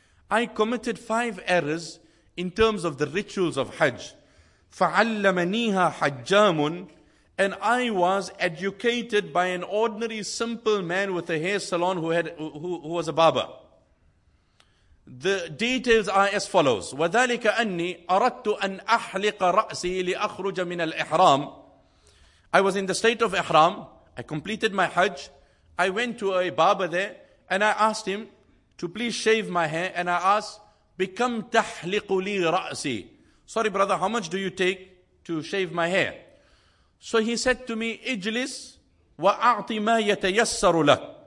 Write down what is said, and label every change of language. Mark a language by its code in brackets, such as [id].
[en] I committed 5 errors in terms of the rituals of Hajj. [ar] فعلمنيها حجام, [en] and I was educated by an ordinary simple man with a hair salon who was a barber. The details are as follows. [ar] وذلك أني أردت أن أحلق رأسي لأخرج من الإحرام. [en] I was in the state of Ihram. I completed my Hajj. I went to a barber there and I asked him to please shave my hair. And I asked, [ar] "Bikam tahliqu li ra'si?" [en] Sorry, brother, how much do you take to shave my hair? So he said to me, [ar] "Ijlis wa a'ti ma yatayassaru lak.